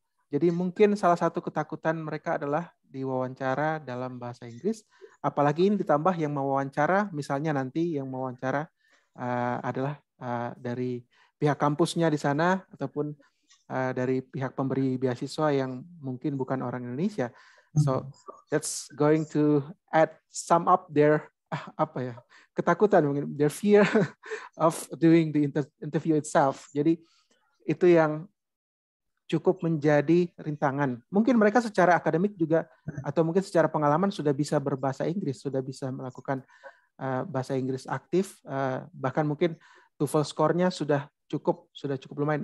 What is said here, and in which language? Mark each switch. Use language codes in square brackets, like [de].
[id] Jadi mungkin salah satu ketakutan mereka adalah diwawancara dalam bahasa Inggris. Apalagi ini ditambah yang mewawancara, misalnya nanti yang mewawancara adalah dari pihak kampusnya di sana ataupun dari pihak pemberi beasiswa yang mungkin bukan orang Indonesia. [en] So that's going to add sum up their apa ya ketakutan mungkin their fear of doing the interview itself. [id] Jadi itu yang cukup menjadi rintangan. Mungkin mereka secara akademik juga atau mungkin secara pengalaman sudah bisa berbahasa Inggris, sudah bisa melakukan bahasa Inggris aktif, bahkan mungkin TOEFL skornya sudah cukup lumayan.